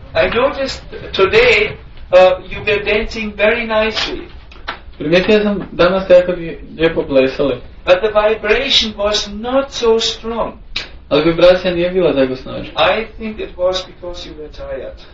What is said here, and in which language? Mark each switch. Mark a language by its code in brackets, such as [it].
[en] I noticed today you were dancing very nicely. [hr] Primijetio sam danas jako lijepo plesali. [en] But the vibration was not so strong. [hr] Ali vibracija nije bila tako snažna. [en] I think it was because you were tired.